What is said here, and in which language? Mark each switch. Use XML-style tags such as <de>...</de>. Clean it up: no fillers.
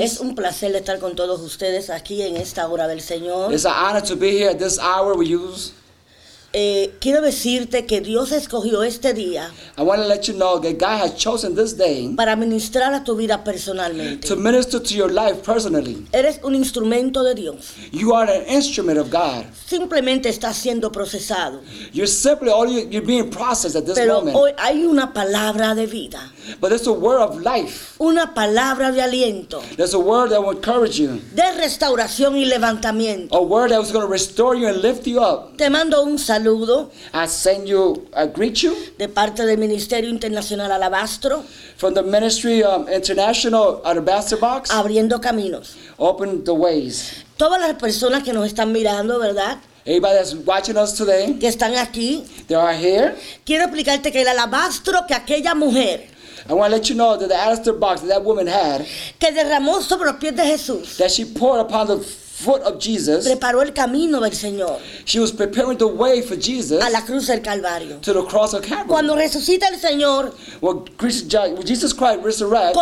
<es>Es un placer estar con todos ustedes aquí en esta hora del Señor.</es> <en>It's an honor to be here at this hour with you.</en> <es>Quiero decirte que Dios escogió este día.</es> <en>I want to let you know that God has chosen this day</en> <es>para ministrar a tu vida personalmente.</es> <en>To minister to your life personally.</en> <es>Eres un instrumento de Dios.</es> <en>You are an instrument of God.</en> <es>Simplemente estás siendo procesado.</es> <en>You're simply all you're being processed at this</en> <es>Pero</es> <en>moment.</en> <es>Pero hoy hay una palabra de vida.</es> <en>But it's a word of life.</en> <es>Una palabra de aliento.</es> <en>There's a word that will encourage you.</en> <es>De restauración y levantamiento.</es> <en>A word that was going to restore you and lift you up.</en> <es>Te mando un saludo.</es> <en>I send you, I greet you.</en> <es>De parte del Ministerio Internacional Alabastro.</es> <en>From the Ministry International Alabaster Box.</en> <es>Abriendo caminos.</es> <en>Open the ways.</en> <es>Todas las personas que nos están mirando, ¿verdad?</es> <en>Anybody that's watching us today.</en> <es>Que están aquí.</es> <en>They are here.</en> <es>Quiero explicarte que el alabastro que aquella mujer.</es> <en>I want to let you know that the alabaster box that woman had.</en> <es>Que derramó sobre los pies de Jesús.</es> <en>That she poured upon the foot of Jesus.</en> <es>Preparó el camino del Señor.</es> <en>She was preparing the way for Jesus.</en> <es>A la cruz del Calvario.</es> <en>To the cross of Calvary.</en> <es>Cuando resucita el Señor.</es> <en>When Jesus Christ resurrects.</en>